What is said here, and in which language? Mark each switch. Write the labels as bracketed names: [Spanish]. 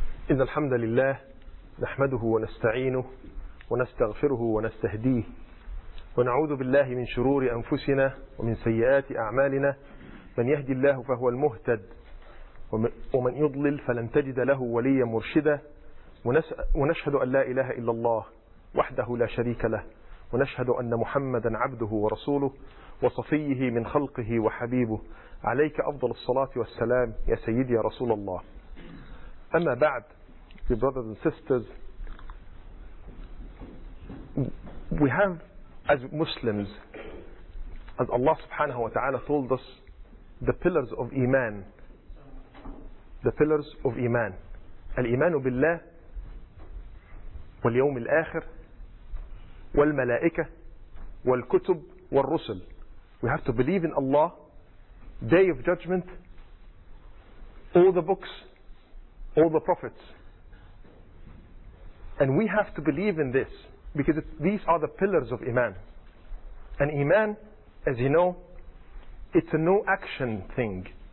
[Arabic] إن الحمد لله نحمده ونستعينه ونستغفره ونستهديه ونعوذ بالله من شرور أنفسنا ومن سيئات أعمالنا، من يهدي الله فهو المهتد ومن يضلل فلن تجد له وليا مرشدا. ونشهد أن لا إله إلا الله وحده لا شريك له، ونشهد أن محمدا عبده ورسوله وصفيه من خلقه وحبيبه، عليك أفضل الصلاة والسلام يا سيدي يا رسول الله. أما بعد، [English] brothers and sisters, we have as Muslims, as Allah subhanahu wa ta'ala told us, the pillars of Iman. The pillars of Iman. [Arabic] الإيمان بالله واليوم الآخر والملائكة والكتب والرسل. [English] We have to believe in Allah, Day of Judgment, all the books, all the prophets. And we have to believe in this because these are the pillars of Iman. And Iman, as you know, it's a no action thing.